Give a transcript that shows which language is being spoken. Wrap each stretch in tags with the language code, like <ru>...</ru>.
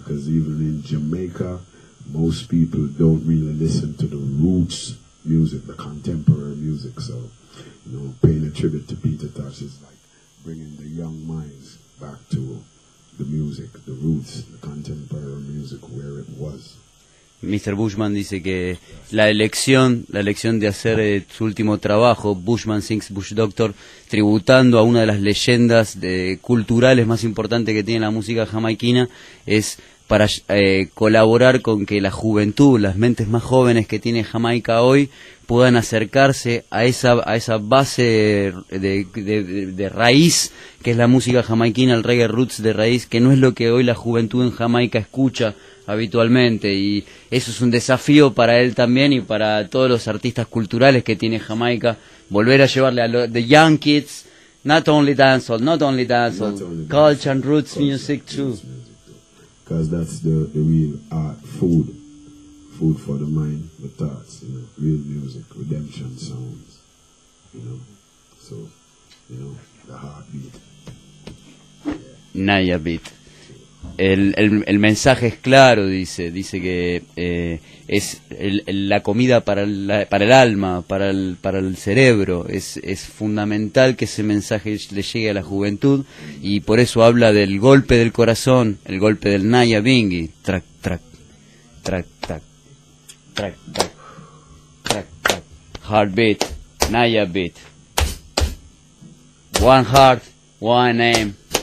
<en>Because even in Jamaica, most people don't really listen to the roots music, the contemporary music. So, you know, paying a tribute to Peter Tosh is like bringing the young minds back to the music, the roots, the contemporary music where it was. Mr.</en> <es>Bushman dice que la elección de hacer su último trabajo, Bushman Sings Bush Doctor, tributando a una de las leyendas culturales más importantes que tiene la música jamaiquina, es para colaborar con que la juventud, las mentes más jóvenes que tiene Jamaica hoy, puedan acercarse a esa base de raíz que es la música jamaiquina, el reggae roots de raíz, que no es lo que hoy la juventud en Jamaica escucha habitualmente, y eso es un desafío para él también y para todos los artistas culturales que tiene Jamaica, volver a llevarle a los</es> <en>young kids, not only dancehall, culture and roots music too. Because that's the real art, food for the mind, the thoughts, you know, real music, redemption sounds, you know, so, you know, the heartbeat. Yeah. Nyah beat.</en> <es>El mensaje es claro, dice que es la comida para el alma, para el cerebro, es fundamental que ese mensaje le llegue a la juventud, y por eso habla del golpe del corazón, el golpe del Nyah Bingi, track, track, track, track, track, track, track, track,</es> <en>heartbeat, Nyah beat, one heart, one aim.</en>